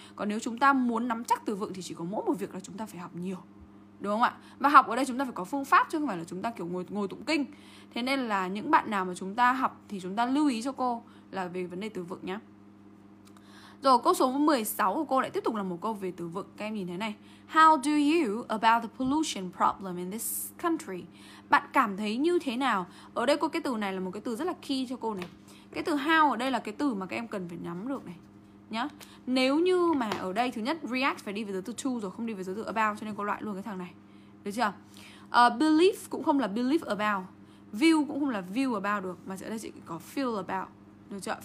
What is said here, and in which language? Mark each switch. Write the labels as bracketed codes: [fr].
[vi] Còn nếu chúng ta muốn nắm chắc từ vựng thì chỉ có mỗi một việc là chúng ta phải học nhiều, đúng không ạ? Và học ở đây chúng ta phải có phương pháp chứ không phải là chúng ta kiểu ngồi tụng kinh. Thế nên là những bạn nào mà chúng ta học thì chúng ta lưu ý cho cô là về vấn đề từ vựng nhé. Rồi câu số 16 của cô lại tiếp tục là một câu về từ vựng. Các em nhìn thấy này. [en] How do you about the pollution problem in this country? [vi] Bạn cảm thấy như thế nào? Ở đây cô cái từ này là một cái từ rất là key cho cô này. Cái từ how ở đây là cái từ mà các em cần phải nhắm được này nhá. Nếu như mà ở đây thứ nhất react phải đi về dấu từ to rồi, không đi về dấu từ about, cho nên cô loại luôn cái thằng này. Được chưa? Believe cũng không là believe about. View cũng không là view about được, mà ở đây chỉ có feel about. Được chưa?